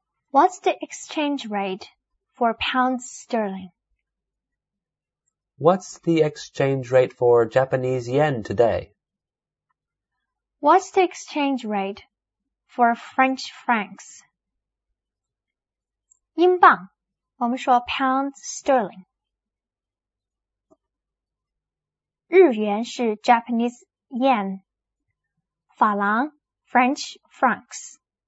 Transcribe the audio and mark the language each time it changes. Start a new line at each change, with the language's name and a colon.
English: What's the exchange rate for pounds sterling? What's the exchange rate for Japanese yen today? What's the exchange rate for French francs?
Chinese: 英镑，我们说 pounds sterling. 日元是 Japanese yen. 法郎 French francs.